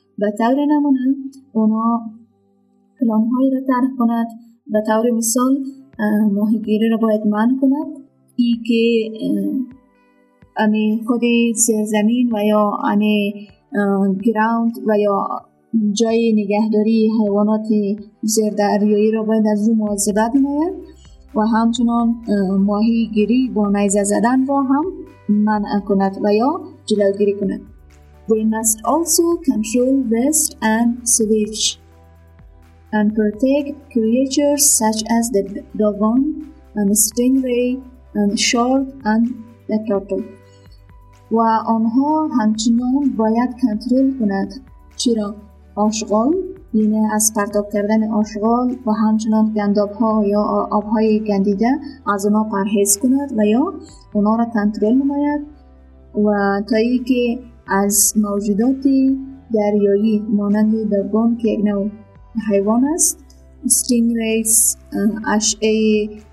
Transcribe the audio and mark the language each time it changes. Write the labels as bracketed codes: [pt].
[fa] به طور نمونه اونا پلان هایی را طرح کند، به طور مثال ماهیگیری را باید منع کند، ای که امی خود زمین و یا امی گراوند و یا جای نگهداری حیوانات زیردریایی را باید از اون مواظبت نماید و همچنان ماهیگیری با نیزه زدن را هم منع کند و یا جلوگیری کند. [en] They must also control waste and sewage and protect creatures such as the dugong and the stingray and shark and the turtle. [fa] و آنها همچنان باید کنترل کنند. چرا؟ آشغال، یعنی از پرتاب کردن آشغال و همچنان گندابها یا آبهای گندیده از آنها پرهیز کند و یا آنها را کنترل نماید و تا ای که از موجودات دریایی مانند دوگان که یک نوع حیوان است، استینگ ریس، اشعه